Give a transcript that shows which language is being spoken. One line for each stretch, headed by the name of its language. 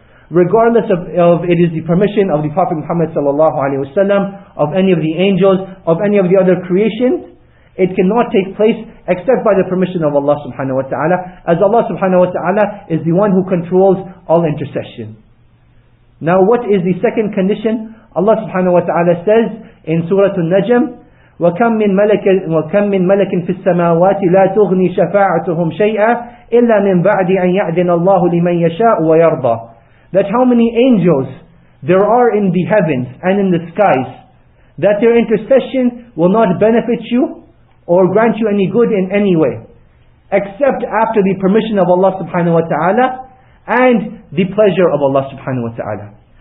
English: regardless of it is the permission of the Prophet Muhammad sallallahu alaihi wasallam, of any of the angels, of any of the other creations, it cannot take place except by the permission of Allah subhanahu wa ta'ala, as Allah subhanahu wa ta'ala is the one who controls all intercession. Now what is the second condition? Allah subhanahu wa ta'ala says in Surah Al-Najm,
Arabic: وَكَمْ مِنْ مَلَكٍ فِي السَّمَاوَاتِ لَا تُغْنِي شَفَاعَتُهُمْ شَيْئًا إِلَّا مِنْ بَعْدِ أَنْ يَعْدِنَ اللَّهُ لِمَنْ يَشَاءُ وَيَرْضَى.
English: That how many angels there are in the heavens and in the skies, that their intercession will not benefit you or grant you any good in any way, except after the permission of Allah subhanahu wa ta'ala and the pleasure of Allah subhanahu wa ta'ala.